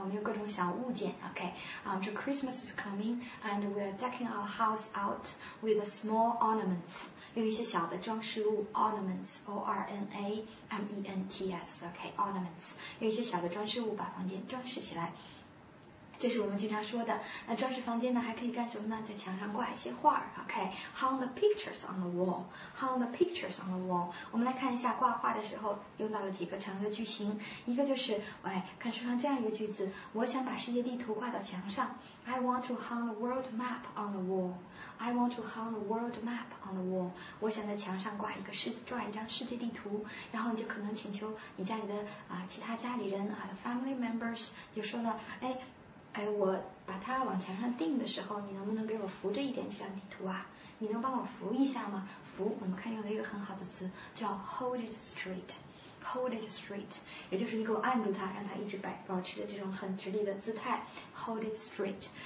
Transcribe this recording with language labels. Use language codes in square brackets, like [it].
[zh] 我们有各种小物件 [en] ，OK， 啊，这 Christmas is coming and we are decking our house out with small ornaments， [zh] 用一些小的装饰物 [en] ornaments， O R N A M E N T S， OK， ornaments， [zh] 用一些小的装饰物把房间装饰起来，这是我们经常说的。那装饰房间呢，还可以干什么呢？在墙上挂一些画儿 ，OK？ [en] Hang the pictures on the wall. Hang the pictures on the wall. [zh] 我们来看一下挂画的时候用到了几个常用的句型。一个就是，哎，看书上这样一个句子：我想把世界地图挂到墙上。 [en] I want to hang the world map on the wall. I want to hang the world map on the wall. [zh] 我想在墙上挂一张世界地图。然后你就可能请求你家里的啊其他家里人啊的 [en] family members， [zh] 就说了，哎。哎，我把它往墙上钉的时候，你能不能给我扶着一点这张地图啊？你能帮我扶一下吗？扶，我们看用了一个很好的词，叫 [en] hold it straight， [zh] hold it straight， 也就是你给我按住它，让它一直保持着这种很直立的姿态， hold it straight。